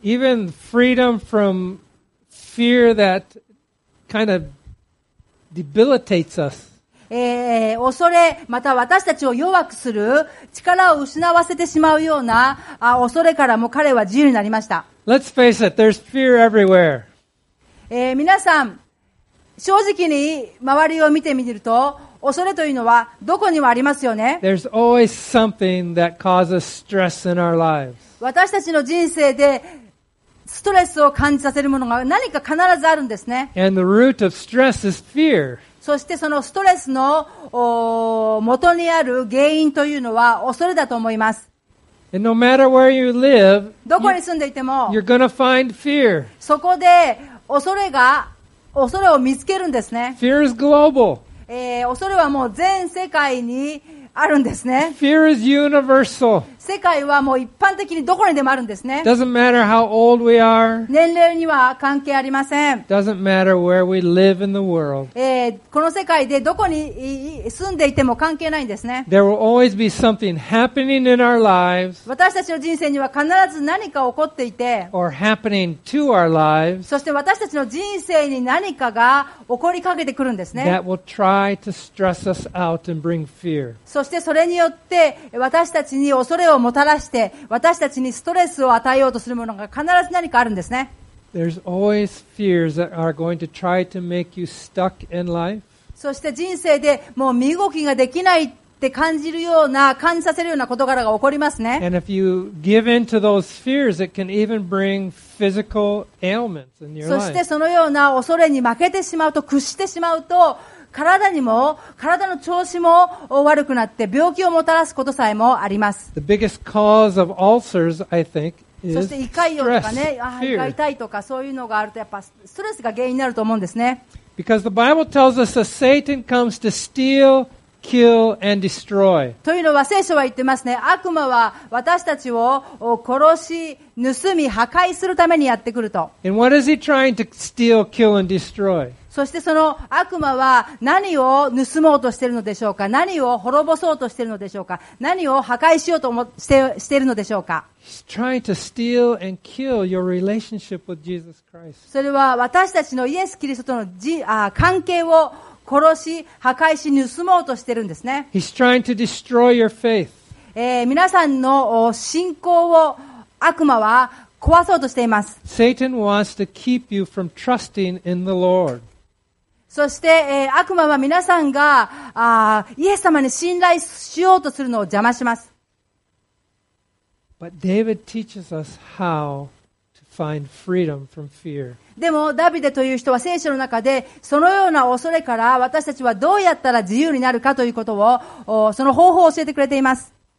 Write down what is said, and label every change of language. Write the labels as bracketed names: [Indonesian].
[English] Even freedom from fear that kind of debilitates us. [Japanese] 恐れ、また私たちを弱くする、力を失わせてしまうような恐れからも彼は自由になりました。 [English] Let's face it, there's fear everywhere. [Japanese] 皆さん正直に周りを見てみると恐れというのはどこにもありますよね。 [English] There's always something that causes stress in our lives. [Japanese] 私たちの人生でストレスを感じさせるものが何か必ずあるんですね。 [English] And the root of stress is fear. [Japanese] そしてそのストレスの元にある原因というのは恐れだと思います。 [English] And no matter where you live, [Japanese] どこに住んでいても [English] you're gonna find fear. [Japanese] そこで恐れを見つけるんですね。 [English] Fear is global. [Japanese] 恐れはもう全世界にあるんですね。 [English] Fear is universal. [Japanese] 世界はもう一般的にどこにでもあるんですね。 [English] Doesn't matter how old we are. [Japanese] 年齢には関係ありません。 [English] Doesn't matter where we live in the world. [Japanese] この世界でどこに住んでいても関係ないんですね。 [English] There will always be something happening in our lives. [Japanese] 私たちの人生には必ず何か起こっていて、 [English] or happening to our lives. [Japanese] そして私たちの人生に何かが起こりかけてくるんですね。 [English] That will try to stress us out and bring fear. [Japanese] そしてそれによって私たちに恐れをもたらして私たちにストレスを与えようとするものが必ず何かあるんですね。 [English] There's always fears that are going to try to make you stuck in life. [Japanese] そして人生でもう身動きができないって感じるような感じさせるような事柄が起こりますね。 [English] And if you give in to those fears, it can even bring physical ailments in your life. [Japanese] そしてそのような恐れに負けてしまうと屈してしまうと体にも体の調子も悪くなって病気をもたらすことさえもあります。 [English] The biggest cause of ulcers, I think, [Japanese] そして胃潰瘍とかね、胃が痛いとかそういうのがあるとやっぱストレスが原因になると思うんですね。 [English] Because the Bible tells us that Satan comes to steal, kill, and destroy. [Japanese] というのは聖書は言ってますね。悪魔は私たちを殺し、盗み、破壊するためにやってくると。 [English] And what is he trying to steal, kill, and destroy? [Japanese] そしてその悪魔は何を盗もうとしているのでしょうか。何を滅ぼそうとしているのでしょうか。何を破壊しようとしているのでしょうか。 [English] He's trying to steal and kill your relationship with Jesus Christ. [Japanese] それは私たちのイエス・キリストとの関係を殺し、破壊し、盗もうとしているんですね。 [English] He's trying to destroy your faith. [Japanese] 皆さんの信仰を悪魔は壊そうとしています。 [English] Satan wants to keep you from trusting in the Lord. [Japanese] そして、悪魔は皆さんがイエス様に信頼しようとするのを邪魔します。 [English] But David teaches us how to find freedom from fear. [Japanese] でもダビデという人は聖書の中でそのような恐れから私たちはどうやったら自由になるかということをその方法を教えてくれています。